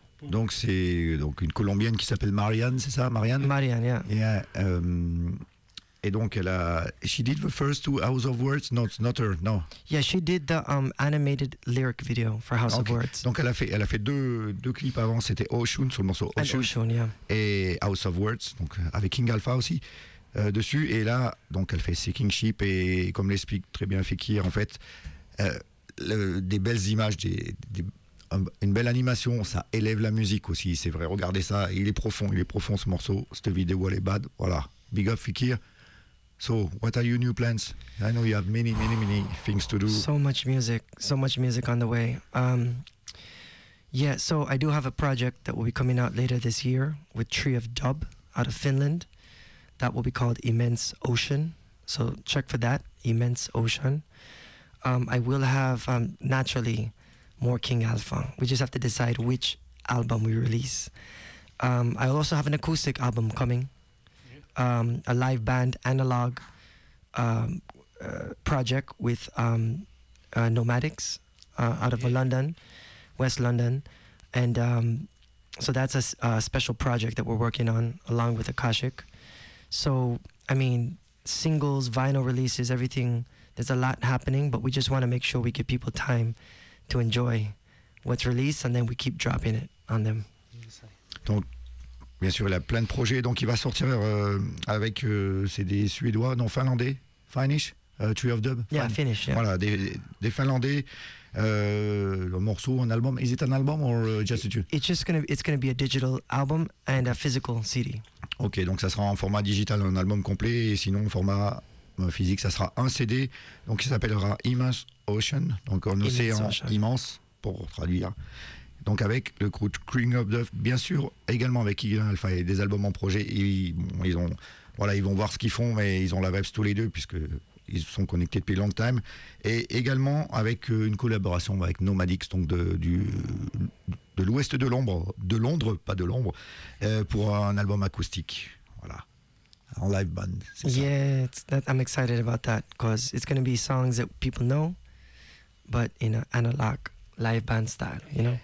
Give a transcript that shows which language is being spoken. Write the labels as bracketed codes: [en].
[fr] Donc c'est donc une Colombienne qui s'appelle Marianne, c'est ça, Marianne? [en] Marianne, yeah. Yeah. [fr] Et donc elle a, [en] she did the first two House of Words, not her, no. Yeah, she did the animated lyric video for House of Words. [fr] Donc elle a fait deux clips avant, c'était Oshun sur le morceau Oshun. [en] And Oshun, yeah. [fr] Et House of Words, donc avec King Alpha aussi dessus. Et là, donc elle fait Sinking Ship et comme l'explique très bien Fikir, en fait, des belles images, une belle animation, ça élève la musique aussi. C'est vrai, regardez ça, il est profond ce morceau, cette vidéo elle est bad, voilà. [en] Big up Fikir. So, what are your new plans? I know you have many, many, many things to do. So much music on the way. Yeah, so I do have a project that will be coming out later this year with Tree of Dub out of Finland. That will be called Immense Ocean. So check for that, Immense Ocean. I will have, naturally, more King Alpha. We just have to decide which album we release. I also have an acoustic album coming. A live band analog project with Nomadics out of London, West London. And so that's a special project that we're working on along with Akashic. So, I mean, singles, vinyl releases, everything, there's a lot happening, but we just want to make sure we give people time to enjoy what's released and then we keep dropping it on them. [fr] Don't. Bien sûr, il a plein de projets. Donc, il va sortir avec, c'est des Suédois, non, Finlandais. [en] Finnish, Tree of Dub. Yeah, Finnish, yeah. [fr] Voilà, des Finlandais, un morceau, un album. [en] Is it an album or just a tune? It's going to be a digital album and a physical CD. [fr] OK, donc ça sera en format digital, un album complet. Et sinon, en format physique, ça sera un CD. Donc, il s'appellera Immense Ocean. Donc, un océan immense, pour traduire. Donc avec le crew Cream of Duff, bien sûr, également avec Igan Alpha et des albums en projet. Ils vont voir ce qu'ils font, mais ils ont la vibes tous les deux, puisqu'ils sont connectés depuis longtemps. Et également avec une collaboration avec Nomadics, donc de l'ouest de Londres, pour un album acoustique. Voilà. [en] on live band. I'm excited about that because it's going to be songs that people know, but in an analog live band style, you know?